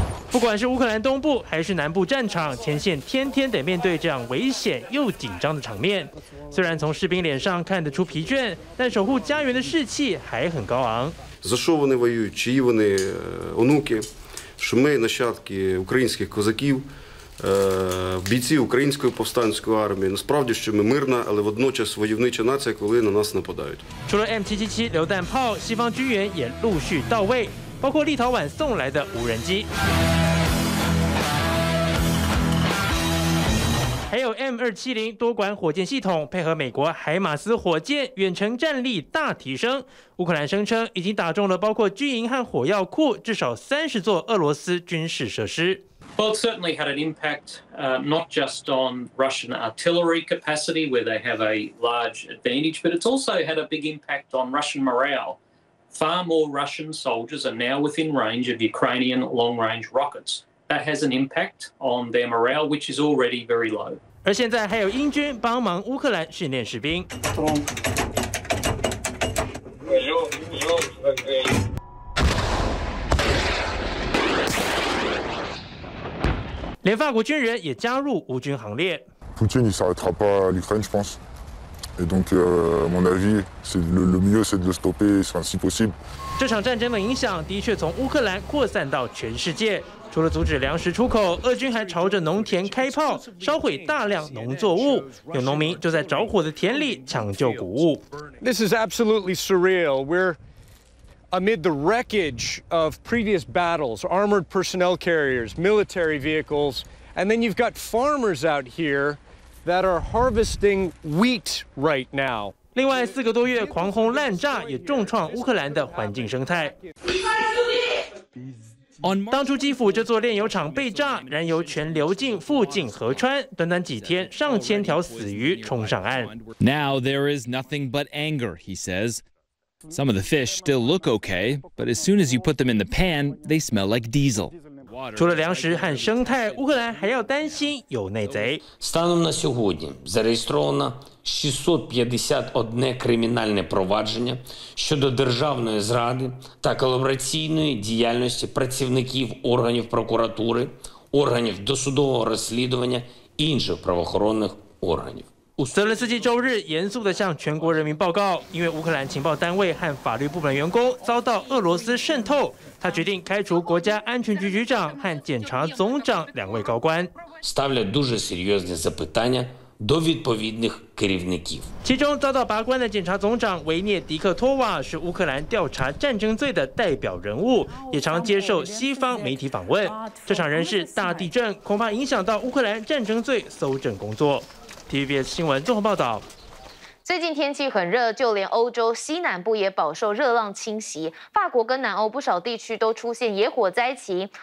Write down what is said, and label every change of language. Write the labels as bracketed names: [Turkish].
[Chinese] 不管是乌克兰东部还是南部战场，前线天天得面对这样危险又紧张的场面。虽然从士兵脸上看得出疲倦，但守护家园的士气还很高昂。 [Ukrainian] За що вони воюють? Чиї вони онуки? Що ми нащадки українських козаків, бійці української повстанської армії? Насправді, що ми мирна, але водночас войовнича нація, коли на нас нападають. [Chinese] 除了 M777 榴弹炮，西方军援也陆续到位。包括立陶宛送来的无人机，还有 M270 多管火箭系统，配合美国海马斯火箭，远程战力大提升。乌克兰声称已经打中了包括军营和火药库至少30座俄罗斯军事设施。 [English] Well, certainly had an impact, not just on Russian artillery capacity where they have a large advantage, but it's also had a big impact on Russian morale. Far more Russian soldiers are now within range of Ukrainian long-range rockets. That has an impact on their morale, which is already very low. [Chinese] 而现在还有英军帮忙乌克兰训练士兵。连法国军人也加入乌军行列。 [French] Poutine ne s'arrêtera pas l'Ukraine, je pense. Et donc, mon avis, c'est le mieux, c'est de le stopper, enfin, si possible. [Chinese] 这场战争的影响的确从乌克兰扩散到全世界。除了阻止粮食出口，俄军还朝着农田开炮，烧毁大量农作物。有农民就在着火的田里抢救谷物。 [English] This is absolutely surreal. We're amid the wreckage of previous battles, armored personnel carriers, military vehicles, and then you've got farmers out here. That are harvesting wheat right now. [Chinese] 另外，四个多月狂轰滥炸也重创乌克兰的环境生态。当初基辅这座炼油厂被炸，燃油全流进附近河川，短短几天，上千条死鱼冲上岸。 [English] Now there is nothing but anger, he says. Some of the fish still look okay, but as soon as you put them in the pan, they smell like diesel. [Chinese] 除了粮食和生态，乌克兰还要担心有内贼。 [Ukrainian] Станом на сьогодні зареєстровано 651 кримінальне провадження щодо державної зради та колабораційної діяльності працівників органів прокуратури, органів досудового розслідування і інших правоохоронних органів. [Chinese] 泽连斯基周日严肃地向全国人民报告，因为乌克兰情报单位和法律部门员工遭到俄罗斯渗透，他决定开除国家安全局局长和检察总长两位高官。 [Ukrainian] Ставлю дуже серйозні запитання до відповідних керівників。 [Chinese] 其中遭到拔关的检察总长维涅迪克托瓦是乌克兰调查战争罪的代表人物，也常接受西方媒体访问。这场人事大地震恐怕影响到乌克兰战争罪搜证工作。 TVBS 新闻综合报道。最近天气很热，就连欧洲西南部也饱受热浪侵袭，法国跟南欧不少地区都出现野火灾情。